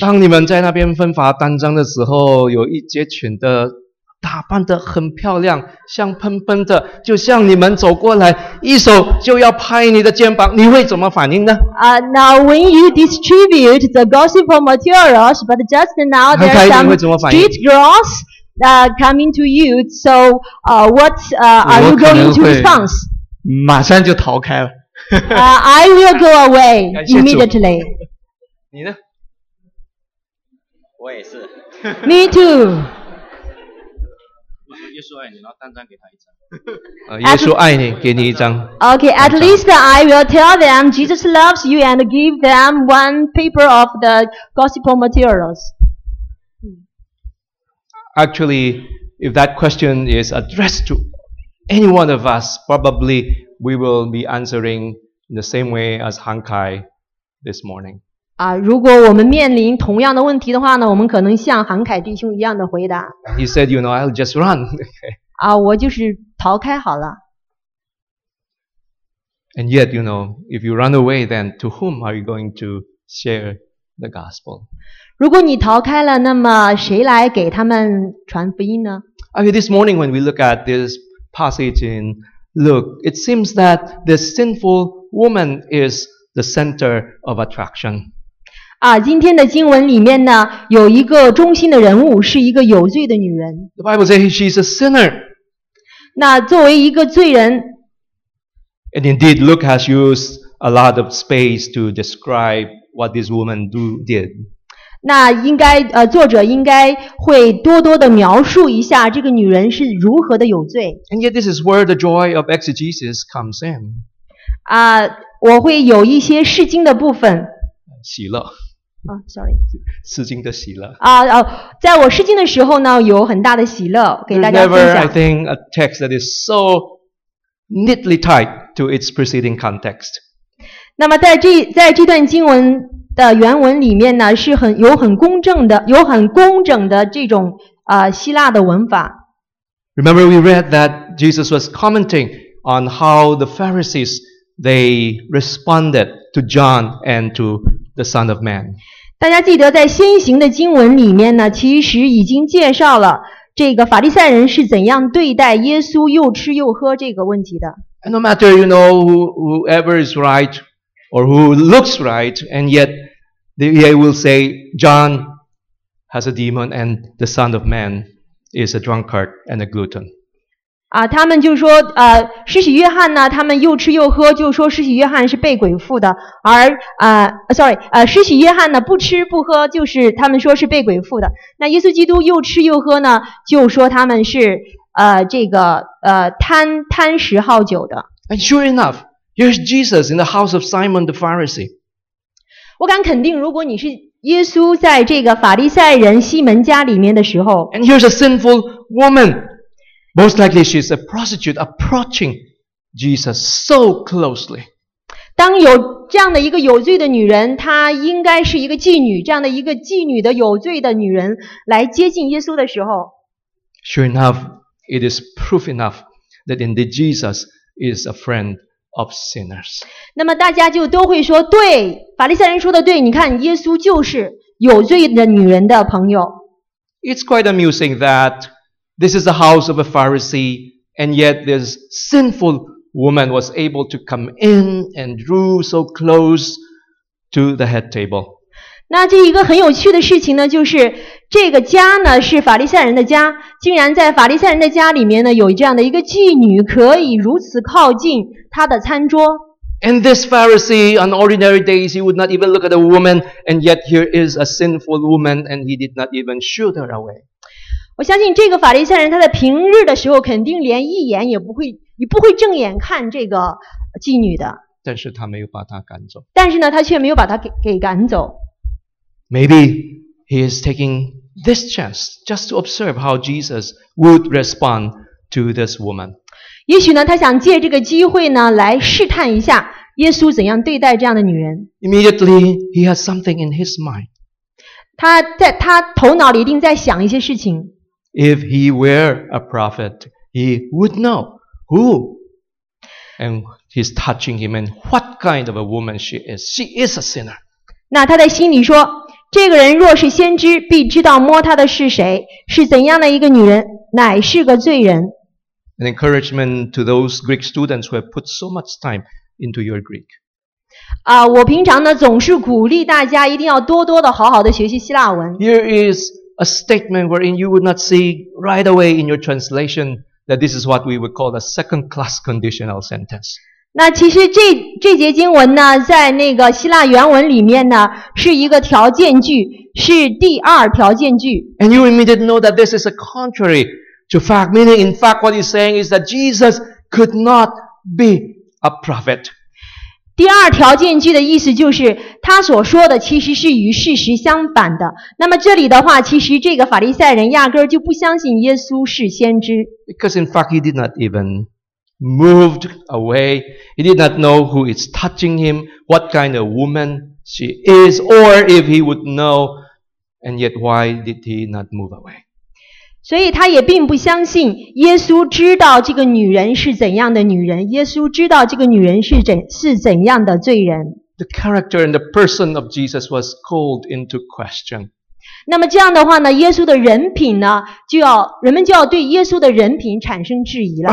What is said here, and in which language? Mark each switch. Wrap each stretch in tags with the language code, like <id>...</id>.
<zh>当你们在那边分发单张的时候，有一节群的打扮得很漂亮，香喷喷的，就像你们走过来，一手就要拍你的肩膀，你会怎么反应呢？</zh> <en>Now when you distribute the gospel materials, but just now there are some street girls coming to you. So, what are you going to respond?</en> <zh>马上就逃开了。</zh> <en>I will go away immediately.</en> <zh>你呢？我也是。</zh> <en>Me too.</en> <zh>耶稣爱你，给你一张。</zh> <en>Okay, at least I will tell them Jesus loves you and give them one paper of the gospel materials. Actually, if that question is addressed to any one of us, probably we will be answering in the same way as Han Kai this morning.</en> <zh>如果我们面临同样的问题的话呢，我们可能像韩凯弟兄一样的回答。</zh> <en>He said, you know, I'll just run.</en> <zh>我就是逃开好了。</zh> <en>And yet, you know, if you run away, then to whom are you going to share the gospel?</en> <zh>如果你逃开了，那么谁来给他们传福音呢？</zh> <en>Okay, this morning when we look at this passage in Luke, it seems that the sinful woman is the center of attraction.</en> <zh>今天的经文里面呢，有一个中心的人物，是一个有罪的女人。</zh> <en>The Bible says she's a sinner.</en> <zh>那作为一个罪人。</zh> <en>And indeed, Luke has used a lot of space to describe what this woman did.</en> <zh>那应该作者应该会多多的描述一下这个女人是如何的有罪。</zh> <en>And yet, this is where the joy of exegesis comes in.</en> <zh>我会有一些释经的部分。喜乐。释经的喜乐。在我释经的时候呢，有很大的喜乐给大家分享。</zh> <en>There's never, I think, a text that is so neatly tied to its preceding context.</en> <zh>那么在这段经文的原文里面呢，是很有很工整的，有很工整的这种希腊的文法。</zh> <en>Remember we read that Jesus was commenting on how the Pharisees. They responded to John and to the Son of Man.</en> <zh>大家记得在先行的经文里面呢，其实已经介绍了这个法利赛人是怎样对待耶稣又吃又喝这个问题的。</zh> <en>And no matter, you know, whoever is right or who looks right, and yet they will say John has a demon and the Son of Man is a drunkard and a glutton.</en> <zh>他们就说施洗约翰呢，他们又吃又喝，就说施洗约翰是被鬼附的，而施洗约翰呢不吃不喝，就是他们说是被鬼附的。那耶稣基督又吃又喝呢，就说他们是贪食好酒的。</zh> <en>And sure enough, here's Jesus in the house of Simon the Pharisee.</en> <zh>我敢肯定，如果你是耶稣在这个法利赛人西门家里面的时候</zh> <en>，And here's a sinful woman. Most likely she's a prostitute approaching Jesus so closely.</en> <zh>当有这样的一个有罪的女人，她应该是一个妓女，这样的一个妓女的有罪的女人来接近耶稣的时候。</zh> <en>Sure enough, it is proof enough that indeed Jesus is a friend of sinners.</en> <zh>那么大家就都会说，对，法利赛人说的对，你看耶稣就是有罪的女人的朋友。</zh> <en>It's quite amusing that This is the house of a Pharisee, and yet this sinful woman was able to come in and drew so close to the head table.</en> <zh>那这一个很有趣的事情呢，就是这个家呢是法利赛人的家，竟然在法利赛人的家里面呢有这样的一个妓女可以如此靠近他的餐桌。</zh> <en>And this Pharisee, on ordinary days, he would not even look at a woman, and yet here is a sinful woman, and he did not even shoot her away.</en> <zh>我相信这个法利赛人他在平日的时候肯定连一眼也不会你不会正眼看这个妓女的。但是他没有把他赶走。但是呢他却没有把他 给赶走。</zh> <en>Maybe he is taking this chance just to observe how Jesus would respond to this woman.</en> <zh>也许呢他想借这个机会呢来试探一下耶稣怎样对待这样的女人。</zh> <en>Immediately he has something in his mind.</en> <zh>他在他头脑里一定在想一些事情。</zh> <en>If he were a prophet, he would know who and he's touching him and what kind of a woman she is. She is a sinner.</en> <zh>那他在心里说，这个人若是先知，必知道摸他的是谁，是怎样的一个女人，乃是个罪人。</zh> <en>An encouragement to those Greek students who have put so much time into your Greek.</en> <zh>啊，我平常呢总是鼓励大家一定要多多的好好的学习希腊文。</zh> <en>Here is a statement wherein you would not see right away in your translation that this is what we would call a second-class conditional sentence.</en> <zh>那其实这节经文呢，在那个希腊原文里面呢，是一个条件句，是第二条件句。</zh> <en>And you immediately know that this is a contrary to fact. Meaning, in fact, what he's saying is that Jesus could not be a prophet.</en> <zh>第二条件句的意思就是，他所说的其实是与事实相反的。那么这里的话，其实这个法利赛人压根就不相信耶稣是先知。</zh> <en>Because in fact, he did not even moved away. He did not know who is touching him, what kind of woman she is, or if he would know, and yet why did he not move away?</en> <zh>所以他也并不相信耶稣知道这个女人是怎样的女人，耶稣知道这个女人是怎样的罪人。</zh> <en>The character and the person of Jesus was called into question.</en> <zh>那么这样的话呢，耶稣的人品呢，人们就要对耶稣的人品产生质疑了。</zh>